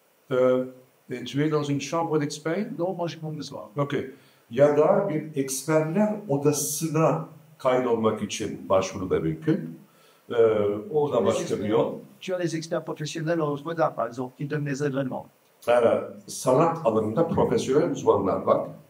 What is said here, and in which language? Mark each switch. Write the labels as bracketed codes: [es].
[fr] Tu es dans une chambre d'expert? Non, moi j'ai pas besoin. Ok. [tr] Ya da bir eksperler odasına kaydolmak için başvuru da mümkün. O da başka bir yol. [fr] Tu as les experts professionnels en mode art, par exemple, qui donnent les événements. [tr] Yani sanat alanında profesyonel uzmanlar var.